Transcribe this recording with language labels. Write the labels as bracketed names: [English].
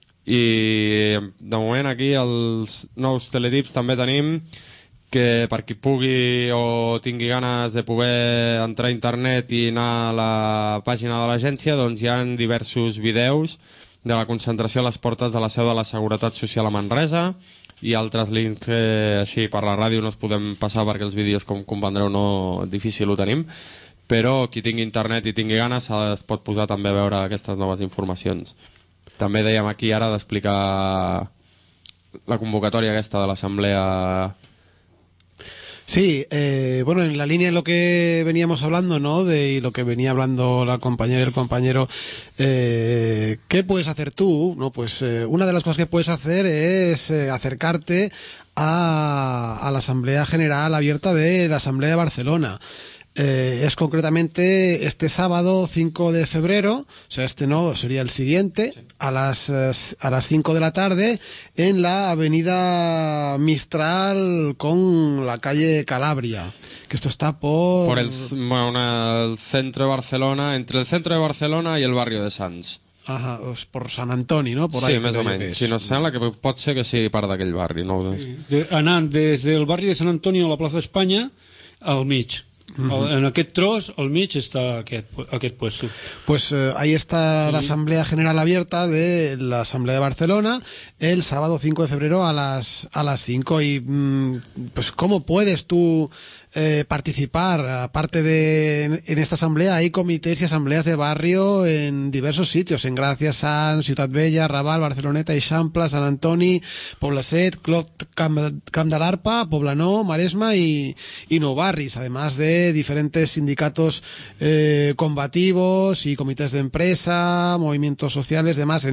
[Catalan] I de moment aquí els nous teletips també tenim que per qui pugui o tingui ganes de poder entrar a internet i anar a la pàgina de l'agència, doncs hi ha diversos vídeos de la concentració a les portes de la seu de la Seguretat Social a Manresa i altres links que així per la ràdio no es podem passar perquè els vídeos, com comprendreu, no, difícil ho tenim, però qui tingui internet i tingui ganes es pot posar també a veure aquestes noves informacions. També dèiem aquí ara d'explicar la convocatòria aquesta de l'assemblea. [Spanish] Sí, bueno, en la línea de lo que veníamos hablando, ¿no? De y lo que venía hablando la compañera y el compañero, ¿qué puedes hacer tú? No, pues una de las cosas que puedes hacer es acercarte a la Asamblea General Abierta de la Asamblea de Barcelona. Es concretamente este sábado 5 de febrero, o sea, este no, sería el siguiente, a las 5 de la tarde, en la avenida Mistral con la calle Calabria, que esto está por el centro de Barcelona, entre el centro de Barcelona y el barrio de Sants. Ajá, por San Antoni, ¿no? Por sí, más o menos. [Catalan] Si no sembla que pot ser que sigui part d'aquell barri, no? Sí. Anant des del barri de San Antoni a la plaça d'Espanya, al mig. Uh-huh. En aquest tros, al mig, està aquest puesto. [Spanish] Pues ahí está la Asamblea General Abierta de la Asamblea de Barcelona el sábado 5 de febrero a las 5. Y pues, ¿cómo puedes tú participar? Aparte de en esta asamblea, hay comités y asambleas de barrio en diversos sitios, en Gràcia, Sants, Ciutat Vella, Raval, Barceloneta, Eixample, Sant Antoni, Poblasset, Clot, Camp de l'Arpa, Poblenou, Maresme i Nou Barris, además de diferentes sindicatos combativos y comités de empresa, movimientos sociales, demás.